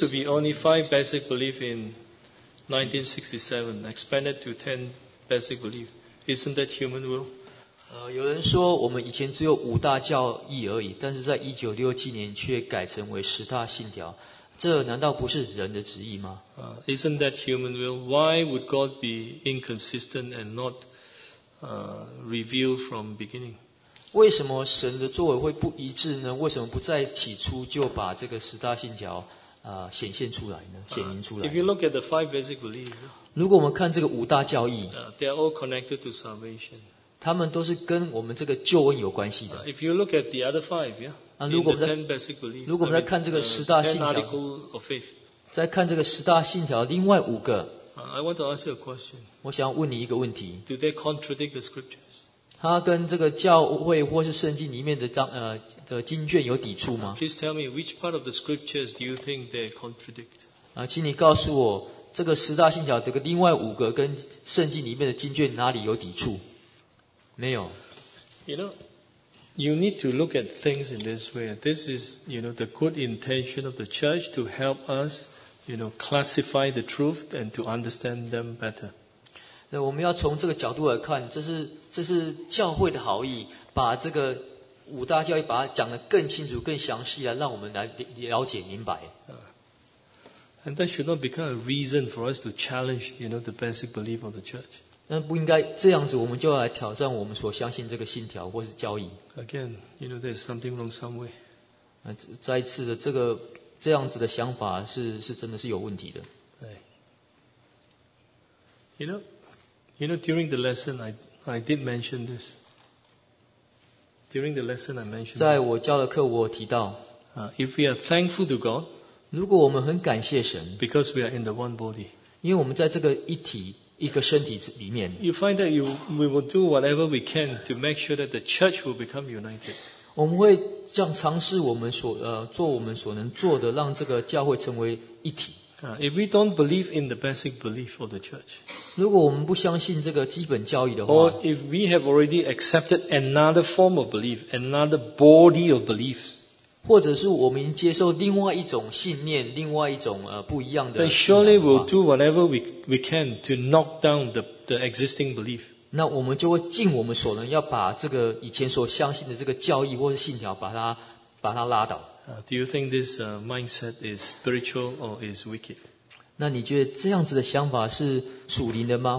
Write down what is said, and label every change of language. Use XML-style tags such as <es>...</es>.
<en>Some people said that used to be only five basic belief in 1967, expanded to 10 basic belief. Isn't that human will?</en> <zh>有人说我们以前只有五大教义而已，但是在1967年却改成为十大信条，这难道不是人的旨意吗？</zh> <en>Isn't that human will? Why would God be inconsistent and not revealed from beginning?</en> <zh>为什么神的作为会不一致呢？为什么不在起初就把这个十大信条显现出来呢？显明出来。</zh> <en>If you look at the five basic beliefs,</en> <zh>如果我们看这个五大教义</zh> <en>they are all connected to salvation.</en> <zh>他们都是跟我们这个救恩有关系的。</zh> <en>If you look at the other five, yeah.</en> <zh>如果我们在</zh> <en>basic beliefs,</en> <zh>如果我们在看这个十大信条</zh> <en>ten article of faith,</en> <zh>在看这个十大信条另外五个。</zh> <en>I want to ask you a question.</en> <zh>我想要问你一个问题。</zh> <en>Do they contradict the scriptures?</en> <zh>它跟这个教会或是圣经里面的章的经卷有抵触吗</zh> <en>？Please tell me which part of the scriptures do you think they contradict?</en> <zh>请你告诉我这个十大信条这个另外五个跟圣经里面的经卷哪里有抵触？没有。</zh> <en>You know, you need to look at things in this way. This is, you know, the good intention of the church to help us, you know, classify the truth and to understand them better.</en> <zh>那我们要从这个角度来看，这是教会的好意，把这个五大教义把它讲得更清楚、更详细啊，让我们来了解明白。</zh> <en>And that should not become a reason for us to challenge, you know, the basic belief of the church.</en> <zh>那不应该这样子，我们就要来挑战我们所相信这个信条或是教义。</zh> <en>Again, you know there's something wrong somewhere.</en> <zh>再一次的，这样子的想法是真的是有问题的。对。</zh> <en>You know, during the lesson, I did mention this. During the lesson, I mentioned.</en> <zh>在我教的课，我提到。</zh> <en>If we are thankful to God,</en> <zh>如果我们很感谢神</zh> <en>，because we are in the one body,</en> <zh>因为我们在这个一体。一个身体里面</zh> <en>，You find that we will do whatever we can to make sure that the church will become united.</en> <zh>我们会这样尝试我们所做我们所能做的，让这个教会成为一体。</zh> <en>If we don't believe in the basic belief of the church,</en> <zh>如果我们不相信这个基本教义的话</zh> <en>，or if we have already accepted another form of belief, another body of belief,</en> <zh>或者是我们接受另外一种信念，另外一种不一样的。</zh> <en>Then surely we'll do whatever we can to knock down the existing belief.</en> <zh>那我们就会尽我们所能，要把这个以前所相信的这个教义或是信条，把它拉倒。</zh> <en>Do you think this mindset is spiritual or is wicked?</en> <zh>那你觉得这样子的想法是属灵的吗？</zh>